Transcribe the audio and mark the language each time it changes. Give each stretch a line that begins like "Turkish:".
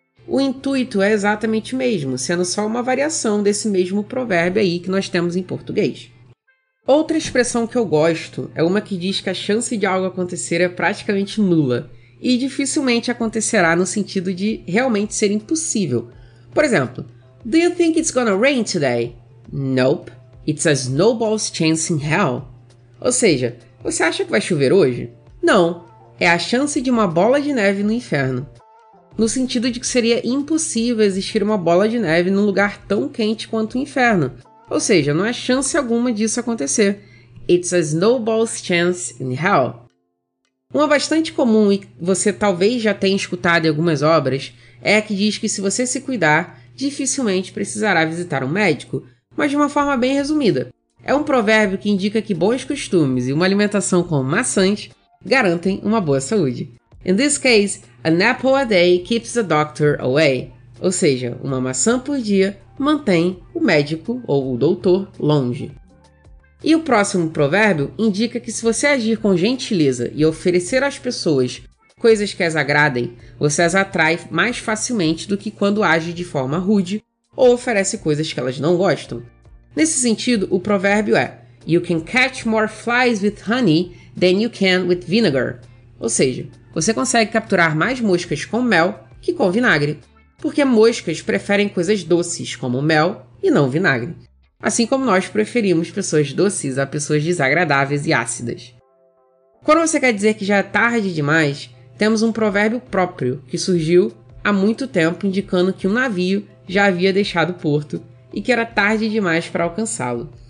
Portuguese: O intuito é exatamente o mesmo, sendo só uma variação desse mesmo provérbio aí que nós temos em português. Outra expressão que eu gosto é uma que diz que a chance de algo acontecer é praticamente nula e dificilmente acontecerá, no sentido de realmente ser impossível. Por exemplo,
English: "Do you think it's gonna rain today?" "Nope, it's a snowball's chance in hell."
Portuguese: Ou seja, você acha que vai chover hoje? Não, é a chance de uma bola de neve no inferno. No sentido de que seria impossível existir uma bola de neve num lugar tão quente quanto o inferno. Ou seja, não há chance alguma disso acontecer.
English: It's a snowball's chance in hell.
Portuguese: Uma bastante comum e você talvez já tenha escutado em algumas obras é a que diz que se você se cuidar, dificilmente precisará visitar um médico. Mas de uma forma bem resumida, é um provérbio que indica que bons costumes e uma alimentação com maçãs garantem uma boa saúde.
English: In this case, an apple a day keeps the doctor away.
Portuguese: Ou seja, uma maçã por dia mantém o médico ou o doutor longe. E o próximo provérbio indica que se você agir com gentileza e oferecer às pessoas coisas que as agradem, você as atrai mais facilmente do que quando age de forma rude ou oferece coisas que elas não gostam. Nesse sentido, o provérbio é:
English: "You can catch more flies with honey than you can with vinegar."
Portuguese: Ou seja, você consegue capturar mais moscas com mel que com vinagre, porque moscas preferem coisas doces, como mel, e não vinagre. Assim como nós preferimos pessoas doces a pessoas desagradáveis e ácidas. Quando você quer dizer que já é tarde demais, temos um provérbio próprio que surgiu há muito tempo indicando que um navio já havia deixado o porto e que era tarde demais para alcançá-lo.